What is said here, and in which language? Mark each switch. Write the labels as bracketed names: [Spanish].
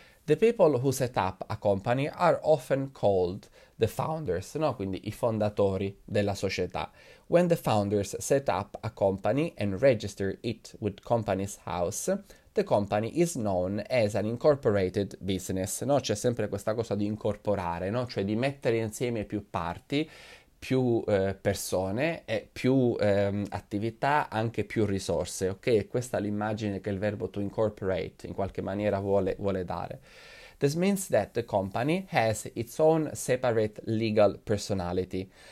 [English] The people who set up a company are often called the founders, no? [Italian] Quindi i fondatori della società. [English] When the founders set up a company and register it with Companies House, the company is known as an incorporated business, no? [Italian] C'è sempre questa cosa di incorporare, no? Cioè di mettere insieme più parti, più persone e più attività, anche più risorse, ok? Questa è l'immagine che il verbo to incorporate in qualche maniera vuole dare. [English] This means that the company has its own separate legal personality.